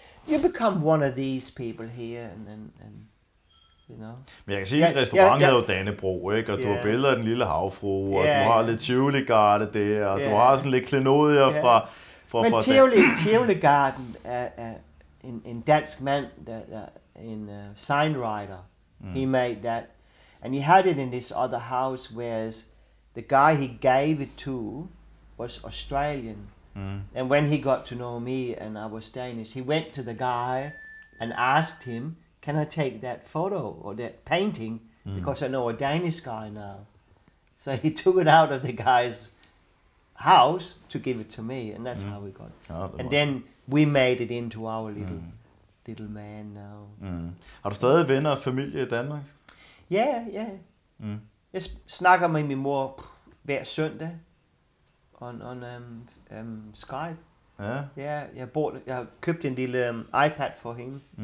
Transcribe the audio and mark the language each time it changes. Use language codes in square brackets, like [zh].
[en] You become one of these people here, and you know. [da] Men jeg kan sige, at restauranten havde jo Dannebrog, ikke? Og du har billeder af den lille havfrue, og du har lidt Tivoli-garde der, og du har sådan lidt klenodier fra Tivoli-garden er en dansk mand, en signwriter, [en] he made that, and he had it in this other house, whereas the guy he gave it to was Australian, and when he got to know me and I was Danish, he went to the guy and asked him, can I take that photo or that painting, because I know a Danish guy now. So he took it out of the guy's house to give it to me, and that's how we got it. And then we made it into our little man now. [da] Har du stadig venner og familie i Danmark? [en] Yeah. [da] Jeg snakker med min mor hver søndag on Skype. Jeg har købt en lille iPad for hende.